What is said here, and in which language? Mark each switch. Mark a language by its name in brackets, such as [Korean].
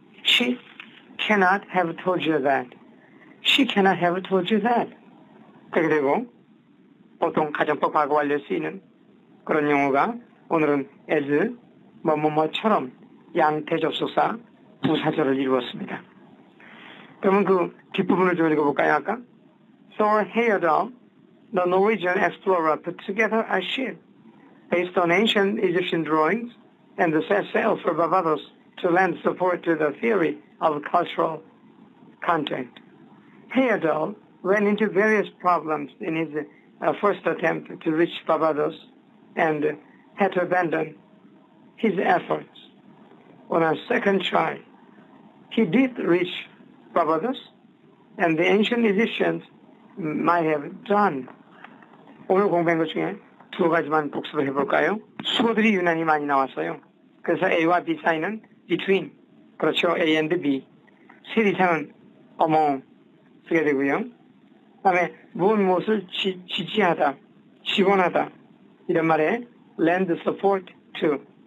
[English] She cannot have told you that. She cannot have told you that. [Korean] 그렇게 되고 보통 가정법 과거 완료 쓰이는 그런 용어가 오늘은 as 뭐뭐뭐처럼 양태 접속사 부사절을 이루었습니다. 그러면 그 뒷부분을 좀 읽어볼까요 아까? [English] Thor Heyerdahl, the Norwegian explorer put together a ship based on ancient Egyptian drawings and the set sail for Barbados to lend support to the theory of cultural content. Heyerdahl ran into various problems in his first attempt to reach Barbados and had to abandon his efforts. On a second try, he did reach Barbados and the ancient Egyptians might have done. [Korean] 오늘 공부한 것 중에 두 가지만 복습을 해볼까요? 수어들이 유난히 많이 나왔어요. 그래서 A와 B 사이는 between. 그렇죠. A and B. 셋 이상은 among 쓰게 되고요. 그 다음에 무엇 무엇을 지지하다, 지원하다 이런 말에 lend support to.